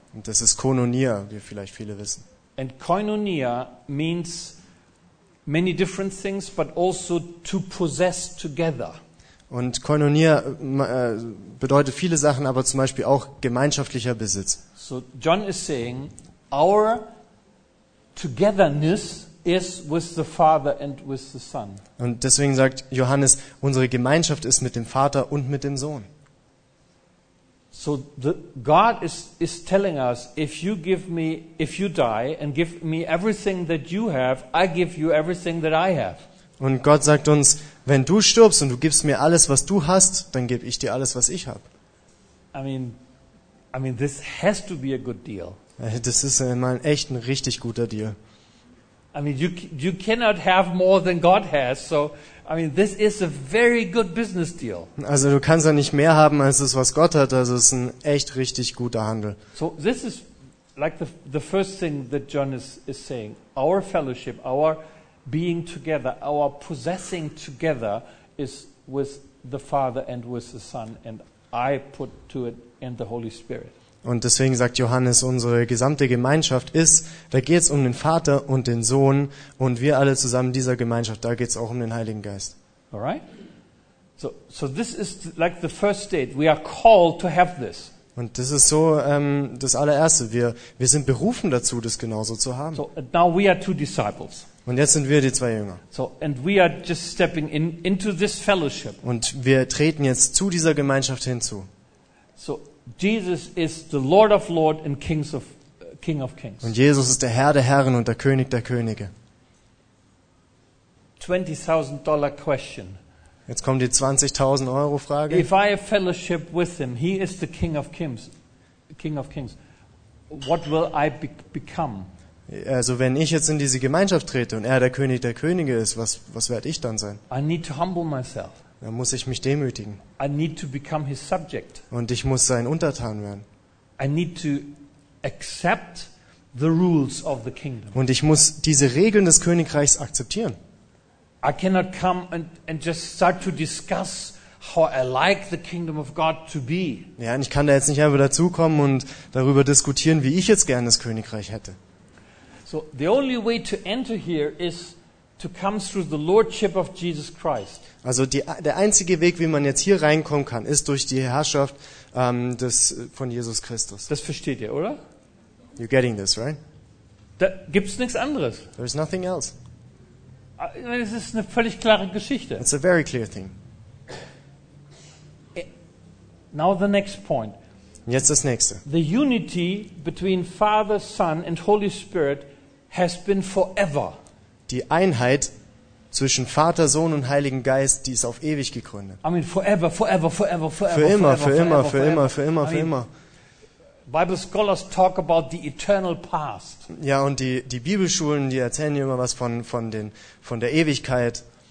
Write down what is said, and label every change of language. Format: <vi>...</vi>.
<de>Und das ist Koinonia, wie vielleicht viele wissen.</de> <en>And koinonia means many different things, but also to possess together.</en> <de>Und Koinonia bedeutet viele Sachen, aber zum Beispiel auch gemeinschaftlicher Besitz.</de> <en>So John is saying, our togetherness is with the Father and with the Son.</en> <de>Und deswegen sagt Johannes, unsere Gemeinschaft ist mit dem Vater und mit dem Sohn.</de> <en>So the God is telling us, if you give me, if you die and give me everything that you have, I give you everything that I have.</en> <de>Und Gott sagt uns, wenn du stirbst und du gibst mir alles, was du hast, dann gebe ich dir alles, was ich habe.</de> <en>I mean this has to be a good deal.</en> <de>Das ist mal echt ein richtig guter Deal.</de> <en>I mean you cannot have more than God has, so I mean this is a very good business deal.</en> <de>Also du kannst ja nicht mehr haben als das, was Gott hat, also es ist ein echt richtig guter Handel.</de> <en>So this is like the first thing that John is saying, our fellowship, our being together, our possessing together is with the Father and with the Son, and I put to it and the Holy Spirit.</en> <de>Und deswegen sagt Johannes, unsere gesamte Gemeinschaft ist, da geht es um den Vater und den Sohn und wir alle zusammen dieser Gemeinschaft, da geht es auch um den Heiligen Geist.</de> <en>All right? So this is like the first state. We are called to have this.</en> <de>Und das ist so das Allererste. Wir sind berufen dazu, das genauso zu haben.</de> <en>So, now we are two disciples.</en> <de>Und jetzt sind wir die zwei Jünger.</de> <en>So, and we are just stepping in, into this fellowship.</en> <de>Und wir treten jetzt zu dieser Gemeinschaft hinzu.</de> <en>So, Jesus is the Lord of Lords and Kings of King of Kings.</en> <de>Und Jesus ist der Herr der Herren und der König der Könige.</de> <en>$20,000 question.</en> <de>Jetzt kommt die 20.000 Euro Frage.</de> <en>If I have fellowship with him, he is the King of Kings. King of Kings. What will I become?</en> <de>Also wenn ich jetzt in diese Gemeinschaft trete und er der König der Könige ist, was werde ich dann sein?</de> <en>I need to humble myself.</en> <de>Dann muss ich mich demütigen.</de> <en>I need to become his subject.</en> <de>Und ich muss sein Untertan werden.</de> <en>I need to accept the rules of the kingdom.</en> <de>Und ich muss diese Regeln des Königreichs akzeptieren.</de> <en>I cannot come and just start to discuss how I like the kingdom of God to be.</en> <de>Ja, und ich kann da jetzt nicht einfach dazukommen und darüber diskutieren, wie ich jetzt gerne das Königreich hätte.</de> <en>So the only way to enter here is to come through the lordship of Jesus Christ.</en> <de>Also der einzige Weg, wie man jetzt hier reinkommen kann, ist durch die Herrschaft von Jesus Christus. Das versteht ihr, oder?</de> <en>You're getting this, right?</en> <de>Da gibt's nichts anderes.</de> <en>There's nothing else.</en> <de>Es ist eine völlig klare Geschichte.</de> <en>It's a very clear thing. Now the next point.</en> <de>Jetzt das nächste.</de> <en>The unity between Father, Son and Holy Spirit has been forever.</en> <de>Die Einheit zwischen Vater, Sohn und Heiligen Geist, die ist auf ewig gegründet.</de> <en>I mean forever, forever, forever, forever.</en> <de>Für immer, für immer, für immer, für immer, für immer.</de> <en>Bible scholars talk about the eternal past.</en> <de>Ja, und die Bibelschulen, die erzählen hier immer was von der Ewigkeit.</de>